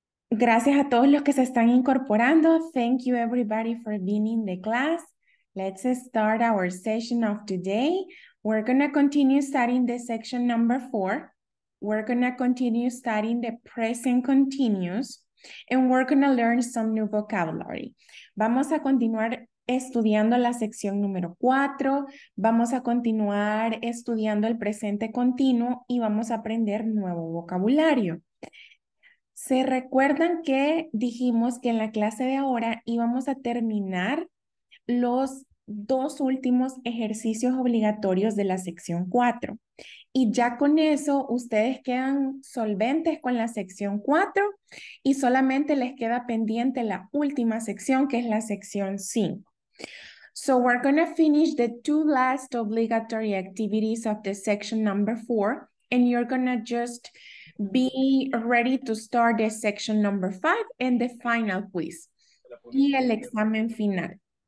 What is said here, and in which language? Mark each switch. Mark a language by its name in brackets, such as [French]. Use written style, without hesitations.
[Spanish] Gracias a todos los que se están incorporando. [English] Thank you everybody for being in the class. Let's start our session of today. We're going to continue studying the section number four. We're going to continue studying the present continuous and we're going to learn some new vocabulary. [Spanish] Vamos a continuar estudiando la sección número 4, vamos a continuar estudiando el presente continuo y vamos a aprender nuevo vocabulario. ¿Se recuerdan que dijimos que en la clase de ahora íbamos a terminar los dos últimos ejercicios obligatorios de la sección 4? Y ya con eso, ustedes quedan solventes con la sección 4 y solamente les queda pendiente la última sección, que es la sección 5. [English] So we're going to finish the two last obligatory activities of the section number four, and you're going to just be ready to start the section number five and the final quiz [Spanish] y el examen final.